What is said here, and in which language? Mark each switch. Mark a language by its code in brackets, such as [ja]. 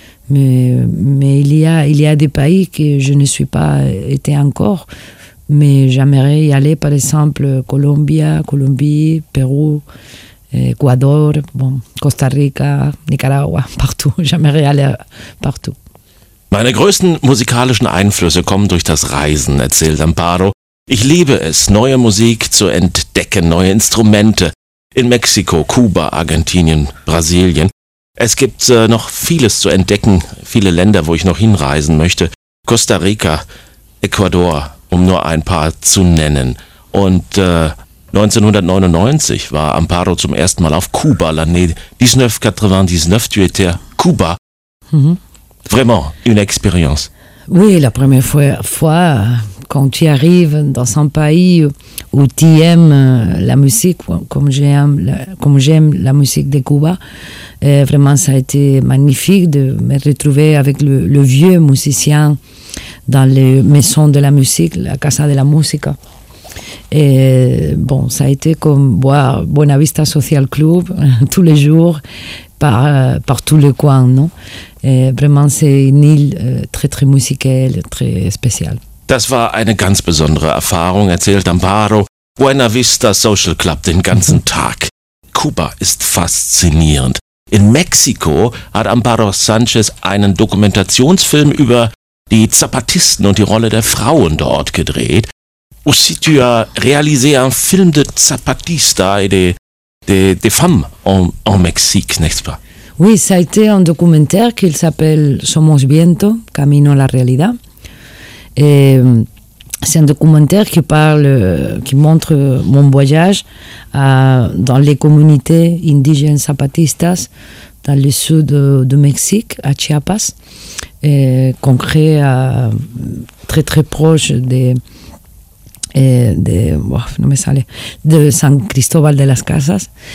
[fr] Mais il y a des pays que je ne suis pas été encore. Mais j'aimerais y aller, par exemple, Colombie, Pérou, Ecuador, bon, Costa Rica, Nicaragua, partout. J'aimerais y aller partout. [de] Meine größten musikalischen Einflüsse kommen durch das Reisen, erzählt Amparo. Ich liebe es, neue Musik zu entdecken, neue Instrumente in Mexiko, Kuba, Argentinien, Brasilien. Es gibt noch vieles zu entdecken, viele Länder, wo ich noch hinreisen möchte. Costa Rica, Ecuador, um nur ein paar zu nennen. Und 1999 war Amparo zum ersten Mal auf Kuba. [fr] L'année 1999, tu étais à Cuba. Mm-hmm. Vraiment, une expérience. Oui, la première fois, quand tu arrives dans un pays où tu aimes la musique, comme j'aime la musique de Cuba, vraiment, ça a été magnifique de me retrouver avec le vieux musicien dans les maisons de la musique, la Casa de la Música. Et bon, ça a été comme voir Buena Vista Social Club tous les jours, par tous les coins, non? Et vraiment, c'est une île très, très musicale, très spéciale. [de] Das war eine ganz besondere Erfahrung, erzählt Amparo. Buena Vista Social Club den ganzen Tag. Kuba ist faszinierend. In Mexiko hat Amparo Sanchez einen Dokumentationsfilm über die Zapatisten und die Rolle der Frauen dort gedreht. [fr] Aussi, tu as réalisé un film de Zapatista et des femmes en Mexique, n'est-ce pas? Oui, ça a été un documentaire qui s'appelle Somos Viento, Camino a la Realidad. Et c'est un documentaire qui montre mon voyage dans les communautés indigènes zapatistas dans le sud du Mexique, à Chiapas, et concret, très très proche de San Cristóbal de las Casas.